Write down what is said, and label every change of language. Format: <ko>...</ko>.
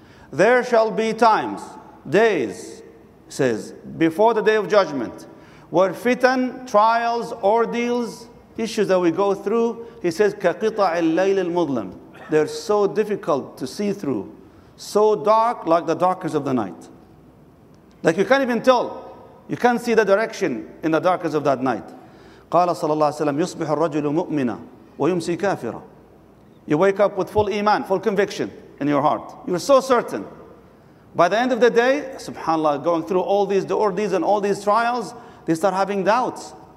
<en>There shall be times, days, says, before the day of judgment, where fitan, trials, ordeals, issues that we go through, he says, ka qita'i al-layl al-mudlim. They're so difficult to see through, so dark like the darkness of the night. Like you can't even tell. You can't see the direction in the darkness of that night.</en> <ar>قال صلى الله عليه وسلم يصبح الرجل مؤمنا ويمسي كافرا.</ar> <en>You wake up with full iman, full conviction in your heart. You're so certain. By the end of the day, subhanAllah, going through all these ordeals and all these trials, they start having doubts.</en>